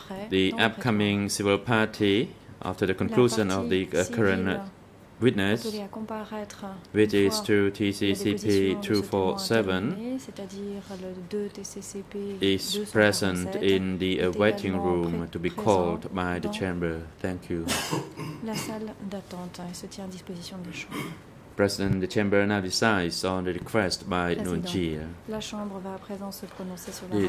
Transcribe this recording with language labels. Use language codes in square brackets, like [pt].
[en] The upcoming civil party, after the conclusion of the current witness, which is to TCCP 247, is present in the waiting room to be called by the chamber. Thank you. [fr] La salle d'attente se tient à disposition de la chambre. [en] President, the chamber now decides on the request by Nunji. [fr] La chambre va à présent se prononcer sur la